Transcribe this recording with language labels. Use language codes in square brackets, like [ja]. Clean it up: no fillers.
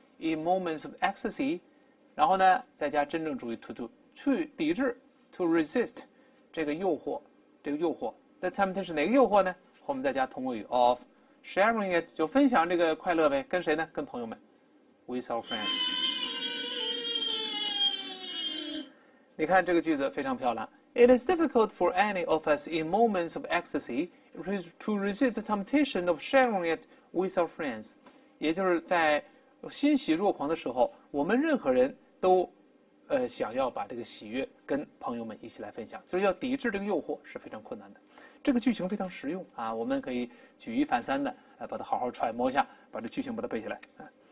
[en] in moments of ecstasy， [zh] 然后呢，再加真正主义 to 抵制 [en] to resist [zh] 这个诱惑，这个诱惑 [en] the temptation [zh] 哪个诱惑呢？后面再加同位语 [en] of sharing it [zh] 就分享这个快乐呗，跟谁呢？跟朋友们 [en] with our friends。 [zh] 你看这个句子非常漂亮。 [en] It is difficult for any of us in moments of ecstasy to resist the temptation of sharing it with our friends。 [zh] 也就是在欣喜若狂的时候，我们任何人都，想要把这个喜悦跟朋友们一起来分享，所以要抵制这个诱惑是非常困难的。这个句型非常实用啊，我们可以举一反三的，把它好好揣摩一下，把这句型把它背下来啊。